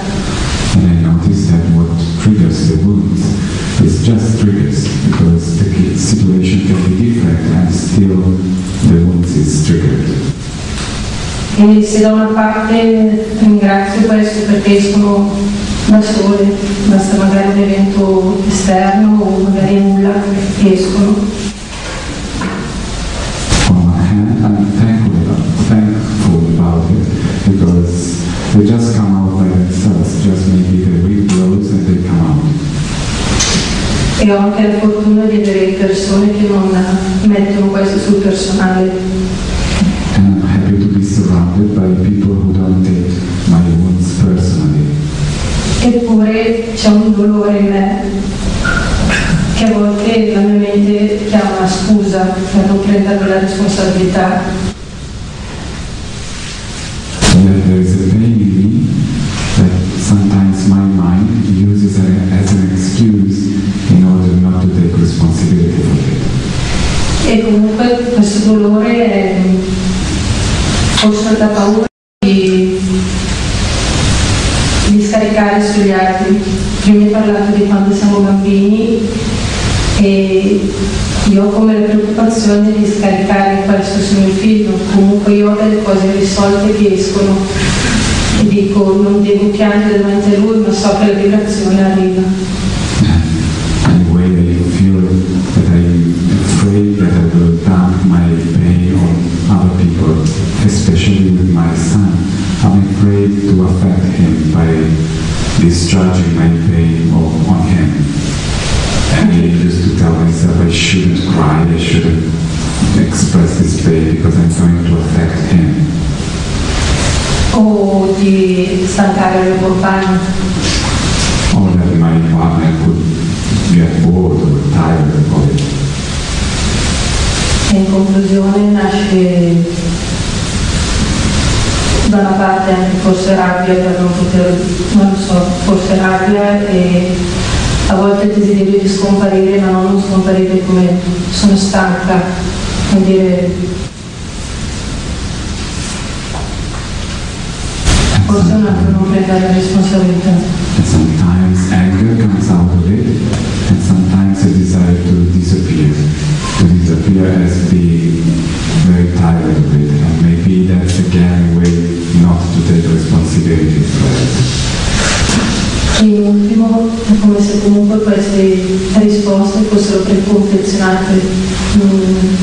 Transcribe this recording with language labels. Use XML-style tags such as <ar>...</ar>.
<en>And I noticed that what triggers the wounds is just triggers, because the situation can be different and still the wounds is triggered.</en> <it>E se da una parte ringrazio questo perché escono da sole, basta magari un evento esterno o magari nulla, escono.</it> <en>On one hand, I'm thankful about it, because they just come out by themselves, just maybe the wind blows and they come out.</en> <it>E ho anche la fortuna di avere persone che non mettono questo sul personale.</it> <en>And I'm happy to be surrounded by people who don't take my wounds personally.</en> <it>Eppure c'è un dolore in me che a volte la mia mente chiama scusa per non prendere la responsabilità.</it> <en>There is a pain in me that sometimes my mind uses as an excuse in order not to take responsibility for it.</en> <it>E comunque questo dolore è forse la paura di scaricare sugli altri. Prima hai parlato di quando siamo bambini e io ho come la preoccupazione di scaricare questo su mio figlio. Comunque io ho delle cose risolte che escono e dico non devo piangere davanti a lui, ma so che la vibrazione arriva.</it> <en>And the way that you feel that I'm afraid that I will dump my pain on other people, especially with my son, I'm afraid to affect him by discharging my pain on him. And I used to tell myself I shouldn't cry, I shouldn't express this pain because I'm going to affect him.</en> <it>Oh, di stancare il mio compagno.</it> <en>Or that my partner could get bored or tired of it.</en> <it>E in conclusione nasce da una parte anche forse rabbia per non poter, non lo so, forse rabbia e a volte il desiderio di scomparire, ma non scomparire come sono stanca, vuol dire. Forse un altro non prende la responsabilità.</it> <en>And sometimes anger comes out of it, and sometimes a desire to disappear. To disappear as being very tired of it, and maybe that's again a way not to take responsibility for it.</en> <it>E in ultimo, è come se comunque queste risposte fossero preconfezionate.</it>